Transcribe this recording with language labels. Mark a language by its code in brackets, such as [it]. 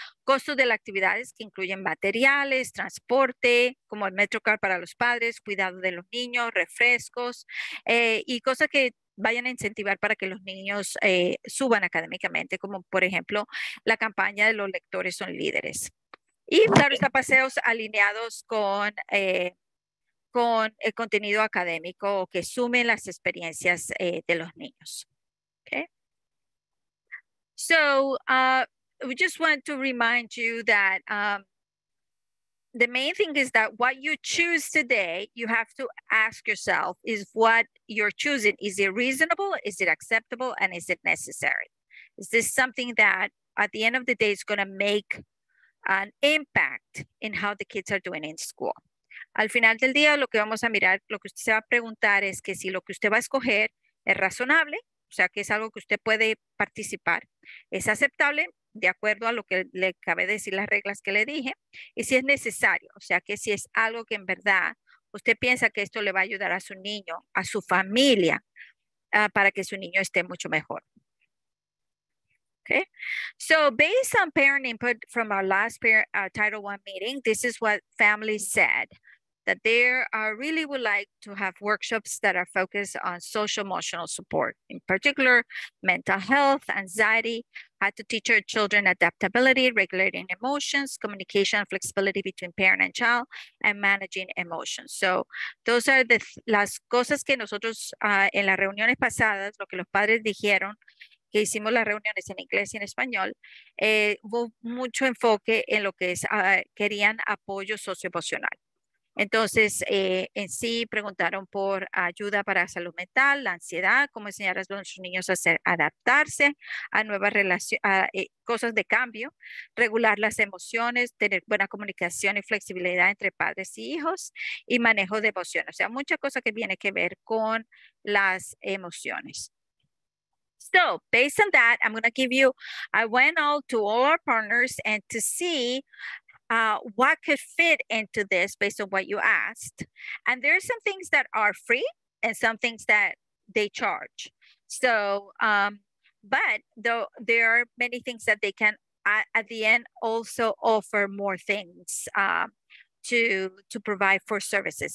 [es] Costos de las actividades que incluyen materiales, transporte, como el MetroCard para los padres, cuidado de los niños, refrescos y cosas que vayan a incentivar para que los niños suban académicamente, como por ejemplo la campaña de los lectores son líderes. Y darles a paseos alineados con el contenido académico o que sumen las experiencias de los niños. [en] Okay. So we just want to remind you that the main thing is that what you choose today, you have to ask yourself is what you're choosing. Is it reasonable? Is it acceptable? And is it necessary? Is this something that at the end of the day is going to make an impact in how the kids are doing in school? [es] Al final del día, lo que vamos a mirar, lo que usted se va a preguntar es que si lo que usted va a escoger es razonable. O sea, que es algo que usted puede participar. Es aceptable de acuerdo a lo que le acabé de decir, las reglas que le dije. Y si es necesario, o sea, que si es algo que en verdad usted piensa que esto le va a ayudar a su niño, a su familia, para que su niño esté mucho mejor. [en] Okay. So, based on parent input from our last Title I meeting, this is what families said. That they really would like to have workshops that are focused on social emotional support, in particular mental health, anxiety, how to teach our children adaptability, regulating emotions, communication and flexibility between parent and child, and managing emotions. So, those are [es] las cosas que nosotros en las reuniones pasadas, lo que los padres dijeron, que hicimos las reuniones en inglés y en español, hubo mucho enfoque en lo que es querían apoyo socioemocional. Entonces, en sí preguntaron por ayuda para salud mental, la ansiedad, cómo enseñar a nuestros niños a hacer, adaptarse a nuevas relaciones, a cosas de cambio, regular las emociones, tener buena comunicación y flexibilidad entre padres y hijos y manejo de emociones. O sea, mucha cosa que tiene que ver con las emociones. [en] So, based on that, I'm going to give you, I went out to all our partners and to see what could fit into this based on what you asked. And there are some things that are free and some things that they charge. So, but though there are many things that they can at the end also offer more things to provide for services.